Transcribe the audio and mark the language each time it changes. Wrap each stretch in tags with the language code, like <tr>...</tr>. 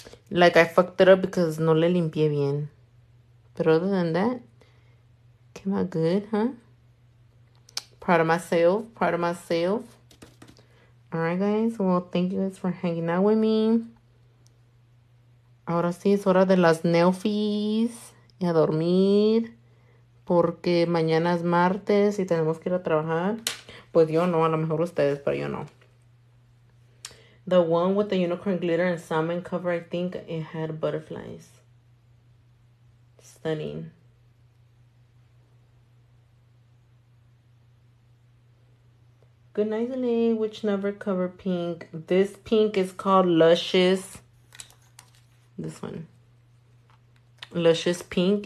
<en>Like, I fucked it up because</en> <es>no le limpié bien.</es> <en>But other than that, came out good, huh? Proud of myself. Proud of myself. All right, guys. Well, thank you guys for hanging out with me.</en> <es>Ahora sí es hora de las nail fees. Y a dormir. Porque mañana es martes y tenemos que ir a trabajar. Pues yo no, a lo mejor ustedes, pero yo no.</es> <en>The one with the unicorn glitter and salmon cover, I think it had butterflies. Stunning. Good night, Lily. Which never cover pink? This pink is called Luscious. This one. Luscious Pink.</en>